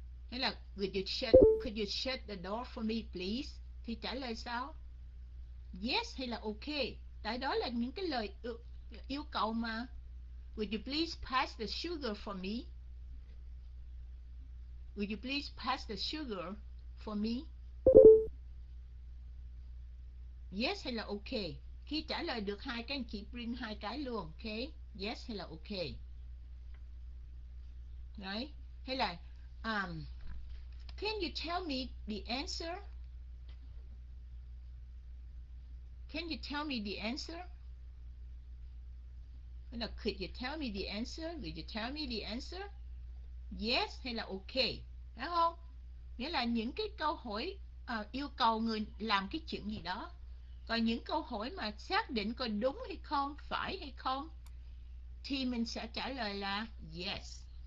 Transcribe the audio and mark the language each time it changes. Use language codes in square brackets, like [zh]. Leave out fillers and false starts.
[vi] Hay là [en] could you shut the door for me please? [vi] Thì trả lời sao? Yes hay là ok? Tại đó là những cái lời yêu cầu mà. [en] Would you please pass the sugar for me? Would you please pass the sugar for me? [vi] Yes hay là ok? Khi trả lời được hai cái, anh chị bring hai cái luôn, ok? Yes hay là ok? [en] Right? [vi] Hay là [en] can you tell me the answer? Can you tell me the answer? Could you tell me the answer? Could you tell me the answer? [vi] yes hay là okay, phải không? Nghĩa là những cái câu hỏi yêu cầu người làm cái chuyện gì đó. Còn những câu hỏi mà xác định có đúng hay không, phải hay không, thì mình sẽ trả lời là yes.